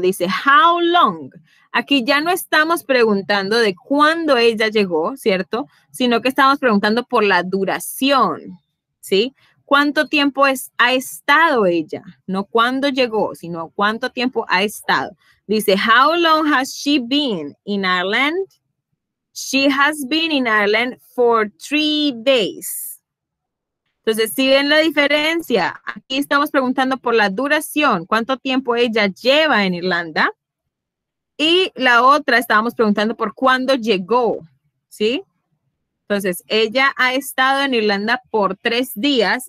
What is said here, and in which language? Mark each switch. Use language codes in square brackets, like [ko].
[en] Dice, how long? [es] Aquí ya no estamos preguntando de cuándo ella llegó, ¿cierto? Sino que estamos preguntando por la duración, ¿sí? ¿Cuánto tiempo ha estado ella? No cuándo llegó, sino cuánto tiempo ha estado. [en] Dice, how long has she been in Ireland? She has been in Ireland for 3 days. [es] Entonces, si ven la diferencia, aquí estamos preguntando por la duración, cuánto tiempo ella lleva en Irlanda. Y la otra estábamos preguntando por cuándo llegó, ¿sí? Entonces, ella ha estado en Irlanda por 3 días.